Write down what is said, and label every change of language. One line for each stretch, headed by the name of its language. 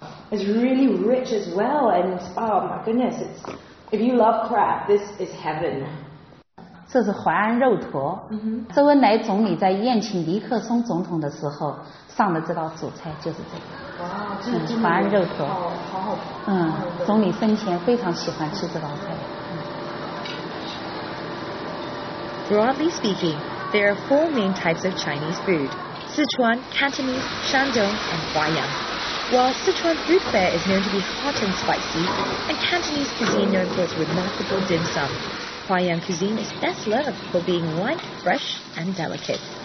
English: It's really rich as well, and oh my goodness, if you love crab, this is heaven.
Chinese: 这是淮安肉坨。 Mm-hmm. 周恩来总理在宴请尼克松总统的时候上的这道主菜就是这个。哇，淮安肉坨，好好。嗯，总理生前非常喜欢吃这道菜。
English: Broadly speaking, there are four main types of Chinese food: Sichuan, Cantonese, Shandong, and Huai'an. While Sichuan food fare is known to be hot and spicy, and Cantonese cuisine known for its remarkable dim sum, Huai'an cuisine is best loved for being light, fresh, and delicate.